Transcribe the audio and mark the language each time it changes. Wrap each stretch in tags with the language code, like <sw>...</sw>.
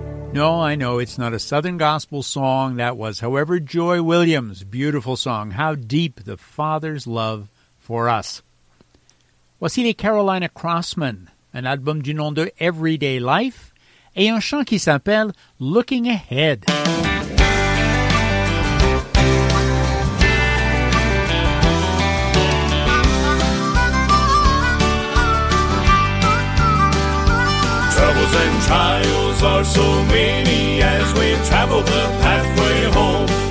<en>No, I know it's not a Southern gospel song. That was, however, Joy Williams' beautiful song, How Deep the Father's Love for Us.</en> <fr>Voici les Carolina Crossmen, un album du nom de Everyday Life, et un chant qui s'appelle Looking Ahead.</fr> <en>Troubles and trials are so many as we travel the pathway home.</en>